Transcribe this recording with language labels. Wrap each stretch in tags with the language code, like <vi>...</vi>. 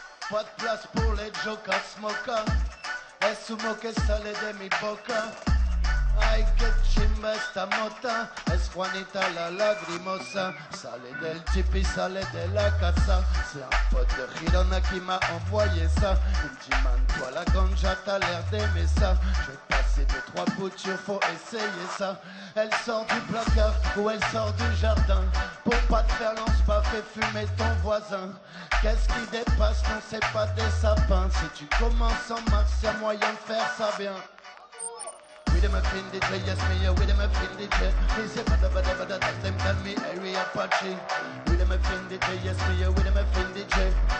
<fr>Pas de place pour les jokers, smokers.</fr> <es>Es humo que sale de mi boca. Ay, qué chimba esta mota. Es Juanita la lagrimosa. Sale del chip y sale de la casa.</es> <fr>C'est un pote de Girona qui m'a envoyé ça. Il dit, man, toi la ganja, t'as l'air d'aimer ça. Je vais passer deux, trois boutures, faut essayer ça. Elle sort du placard ou elle sort du jardin. Pour pas te faire lance, pas fait fumer ton voisin. Qu'est-ce qui dépasse, non, c'est pas des sapins. Si tu commences en mars, y'a moyen de faire ça bien.</fr> <en>With them a fin DJ, yes me, yeah, with them a fin DJ. They say bada bada bada, that them call me Harry Apache. With them a fin DJ, yes me, yeah, with them a fin DJ.</en>